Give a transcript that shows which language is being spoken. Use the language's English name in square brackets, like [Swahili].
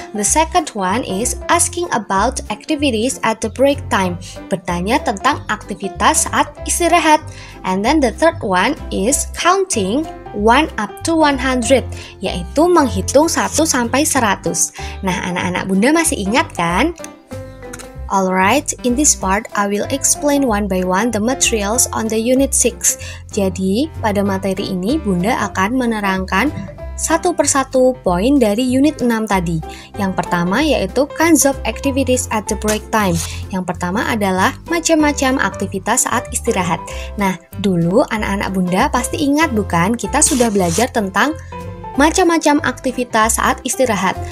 [English] The second one is asking about activities at the break time, [Indonesian] bertanya tentang aktivitas saat istirahat. [English] And then the third one is counting 1 up to 100, [Indonesian] yaitu menghitung 1 sampai 100. Nah, anak-anak bunda masih ingat kan? [English] Alright, in this part I will explain one by one the materials on the unit 6. [Indonesian] Jadi, pada materi ini bunda akan menerangkan satu persatu poin dari unit 6 tadi. Yang pertama yaitu [English] kinds of activities at the break time. [Indonesian] Yang pertama adalah macam-macam aktivitas saat istirahat. Nah, dulu anak-anak bunda pasti ingat bukan, kita sudah belajar tentang macam-macam aktivitas saat istirahat.